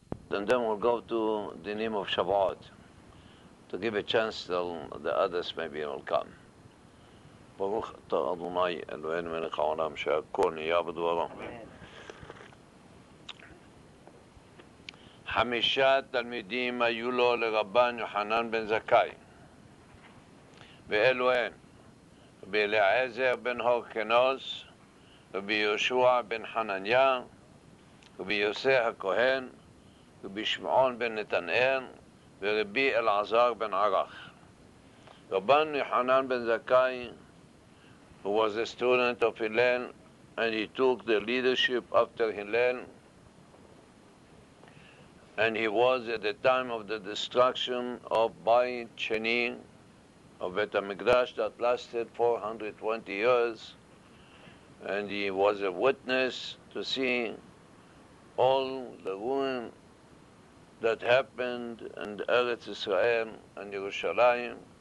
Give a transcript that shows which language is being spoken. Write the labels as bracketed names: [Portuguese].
[English] And then we'll go to the name of Shavuot to give a chance till the others maybe will come. [Hebrew] ברוך אתה אדוני אלוהינו מלך העולם שהכל נהיה בדברו. חמישה תלמידים היו לו לרבן יוחנן בן זכאי, ואלו הם רבי אליעזר בן הורקנוס, רבי יהושע בן חנניה, רבי יוסי הכהן, רבי שמעון בן נתנאל, ורבי אלעזר בן ערך. [English] רבן יוחנן בן זכאי, who was a student of Hillel, and he took the leadership after Hillel, and he was at the time of the destruction of Beit Sheni, of Beit HaMikdash, that lasted 420 years, and he was a witness to see all the ruin that happened in Eretz Israel and Yerushalayim.